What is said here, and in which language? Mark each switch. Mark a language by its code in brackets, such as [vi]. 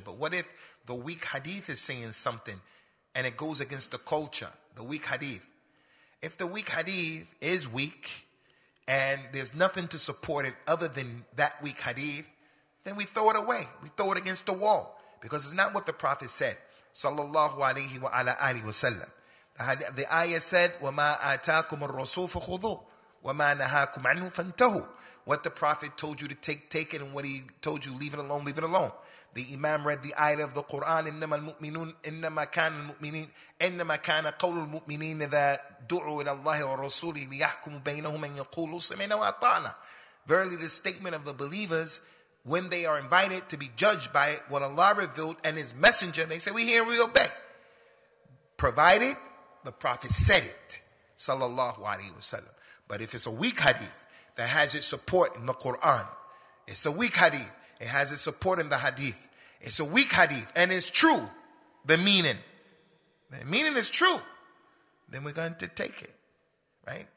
[en] But what if the weak hadith is saying something and it goes against the culture, the weak hadith? If the weak hadith is weak and there's nothing to support it other than that weak hadith, then we throw it away. We throw it against the wall, because it's not what the Prophet said, sallallahu alayhi wa ala alihi wa sallam. The ayah said, [ar] وَمَا آتَاكُمُ الرَّسُولُ فَخُذُوهُ وَمَا نَهَاكُمْ عَنْهُ فَانْتَهُوا. [en] What the Prophet told you to take it, and what he told you, leave it alone, leave it alone. The imam read the ayah of the Quran, [ar] إِنَّمَا الْمُؤْمِنُونَ إِنَّمَا كَانَ الْمُؤْمِنِينَ إِنَّمَا كَانَ قَوْلُ الْمُؤْمِنِينَ إِذَا دُعُوا إِلَى اللَّهِ وَرَسُولِهِ لِيَحْكُمُ بَيْنَهُمْ أَنْ يَقُولُوا سَمِعْنَا وَأَطَعْنَا. [en] Verily, the statement of the believers, when they are invited to be judged by what Allah revealed and His Messenger, they say, we hear and we obey. Provided the Prophet said it, sallallahu alaihi wasallam. But if it's a weak hadith that has its support in the Quran, it's a weak hadith, it has its support in the hadith, it's a weak hadith, and it's true, the meaning is true, then we're going to take it, right?